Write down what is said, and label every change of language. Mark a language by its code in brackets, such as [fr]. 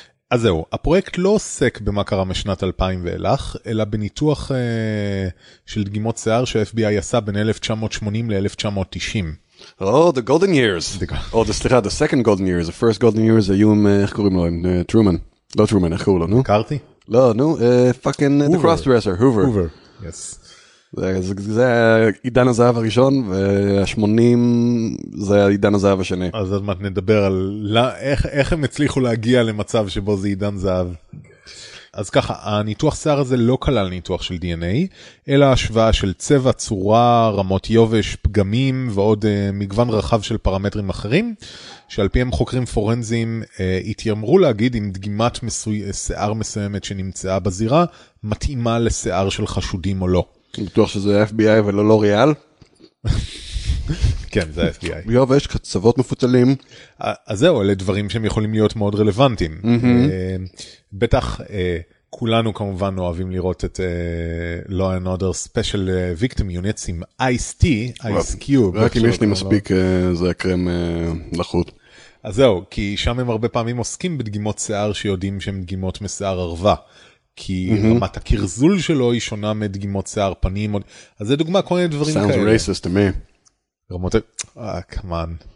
[he] אז זהו, הפרויקט לא עוסק במה קרה משנת 2000 ואילך, אלא בניתוח של דגימות שיער שה-FBI עשה בין 1980 ל-1990. [en] Oh, the golden years. Oh, סליחה, the second golden years, the first golden years, [he] היו עם, איך קוראים לו, עם טרומן. לא טרומן, איך קוראו לו, נו? קרתי? לא, נו, פאקינג, [en] the crossdresser, [he] הובר. הובר, yes. זה היה עידן הזהב הראשון, וה-80 זה היה עידן הזהב השני. אז עוד מעט נדבר על לא, איך הם הצליחו להגיע למצב שבו זה עידן זהב. אז ככה, הניתוח שיער הזה לא כלל ניתוח של DNA, אלא השוואה של צבע, צורה, רמות יובש, פגמים ועוד מגוון רחב של פרמטרים אחרים, שעל פיהם חוקרים פורנזיים התיימרו להגיד אם דגימת שיער מסוימת שנמצאה בזירה מתאימה לשיער של חשודים או לא. ניתוח שזה FBI ולא לוריאל? כן, זה FBI. יובש, קצוות מפוצלים. אז זהו, אלה דברים שהם יכולים להיות מאוד רלוונטיים. בטח כולנו כמובן אוהבים לראות את Law and Order Special Victim Units עם Ice-T, Ice-Cube. רק אם יש לי מספיק זה הקרם לחוט. אז זהו, כי שם הם הרבה פעמים עוסקים בדגימות שיער שיודעים שהן דגימות משיער ערווה. כי רמת הקרזול שלו היא שונה מדגימות שיער פנים. אז זה דוגמה, כל מיני דברים כאלה. [en] Sounds racist to me. רמות... come on.